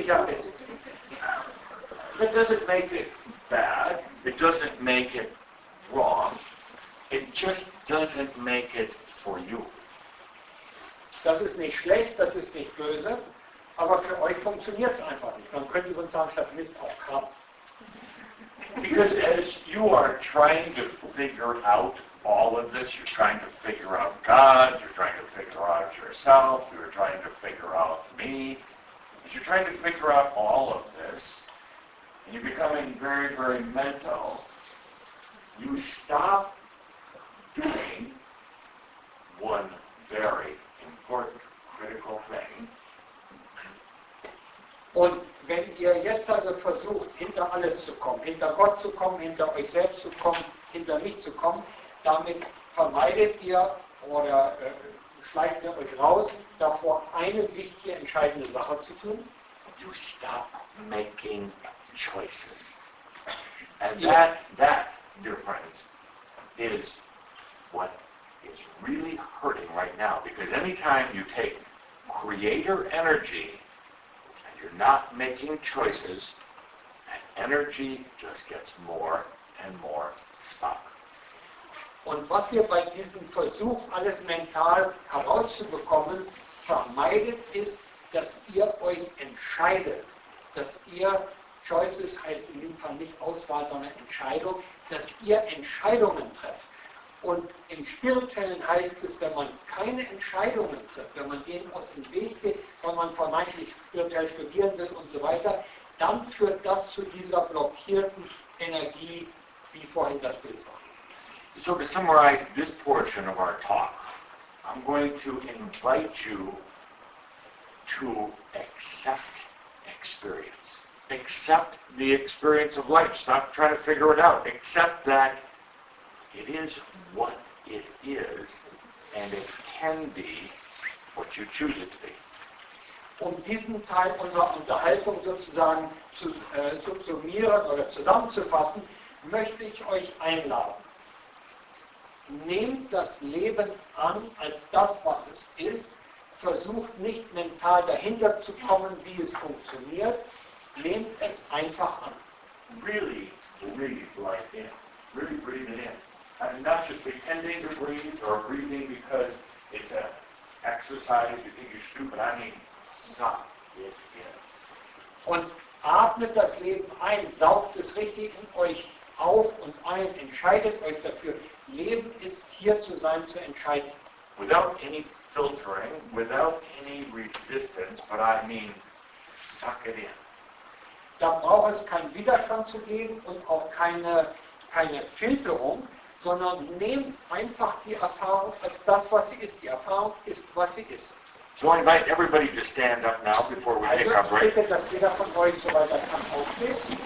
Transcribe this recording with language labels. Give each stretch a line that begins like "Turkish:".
English: It doesn't make it bad. It doesn't make it wrong. It just doesn't make it for you.
German: Das ist nicht schlecht, das ist nicht böse, aber für euch funktioniert es einfach nicht. Man könnte uns sagen, statt Mist auf Kram.
English: Because as you are trying to figure out all of this, you're trying to figure out God, you're trying to figure out yourself, you're trying to figure out me. As you're trying to figure out all of this, and you're becoming very, very mental, you stop doing one very important critical thing.
German: Und wenn ihr jetzt also versucht, hinter alles zu kommen, hinter Gott zu kommen, hinter euch selbst zu kommen, hinter mich zu kommen, damit vermeidet ihr oder schleicht ihr euch raus, davor eine wichtige, entscheidende Sache zu tun.
English: You stop making choices. And that, dear friends, is what is really hurting right now. Because anytime you take creator energy and you're not making choices, that energy just gets more and more stuck.
German: Und was ihr bei diesem Versuch, alles mental herauszubekommen, vermeidet, ist, dass ihr euch entscheidet, dass ihr, Choices heißt in dem Fall nicht Auswahl, sondern Entscheidung, dass ihr Entscheidungen trefft. Und im Spirituellen heißt es, wenn man keine Entscheidungen trifft, wenn man denen aus dem Weg geht, wenn man vermeintlich spirituell studieren will und so weiter, dann führt das zu dieser blockierten Energie, wie vorhin das Bild war.
English: So to summarize this portion of our talk, I'm going to invite you to accept experience. Accept the experience of life. Stop trying to figure it out. Accept that it is what it is, and it can be what you choose it to be.
German: Um diesen Teil unserer Unterhaltung sozusagen zu subsumieren oder zusammenzufassen, möchte ich euch einladen. Nehmt das Leben an als das, was es ist. Versucht nicht mental dahinter zu kommen, wie es funktioniert. Nehmt es einfach an.
English: Really, really breathe in. Really breathe it in. And not just pretending to breathe or breathing because it's an exercise, you think you're stupid, I mean, suck it in.
German: Und atmet das Leben ein, saugt es richtig in euch auf und ein, entscheidet euch dafür. Leben ist hier zu sein, zu entscheiden.
English: Without any filtering, without any resistance, but I mean, suck it in.
German: Da braucht es keinen Widerstand zu geben und auch keine Filterung, sondern nehmt einfach die Erfahrung als das, was sie ist. Die Erfahrung ist, was sie ist.
English: So I invite everybody to stand up now before we take our break.
German: Ich bitte, dass jeder von euch, soweit er kann, aufsteht.